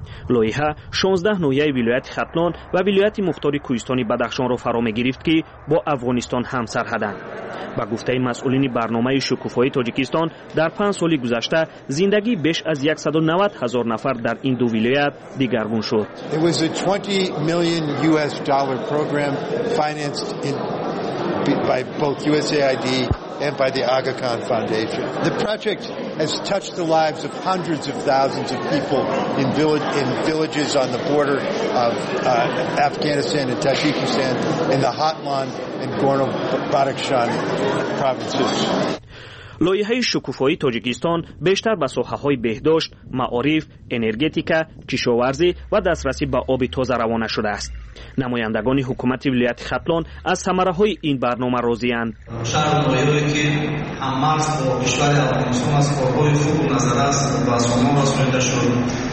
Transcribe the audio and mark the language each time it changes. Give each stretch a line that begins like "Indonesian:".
Persian: لایحه 16 نوعی ولایت ختلان و ولایت مختار کوهستان بدخشان را فرا می گرفت که با افغانستان هم سرحدند. با گفته مسئولین برنامه شکوفای تاجیکستان در 5 سال گذشته زندگی بیش از 190 هزار نفر در این دو ولایت دیگرگون شد.
English: It was a $20 million program financed by both USAID and by the Aga Khan Foundation. The project has touched the lives of hundreds of thousands of people in villages on the border of Afghanistan and Tajikistan in the Hatlan and Gorno-Badakhshan provinces.
Persian: لایحه شکوفایی تاجیکستان بیشتر به ساحه‌های بهداشت، معارف، انرژتیکا، کشاورزی و دسترسی به آب تازه روانه شده است. نمایندگان حکومت ولایت ختلان از ثمره‌های این برنامه راضی‌اند. شهر نوایی که هم مرز با کشور افغانستان است، کارهای خوب نظر است و شما واسطه شد.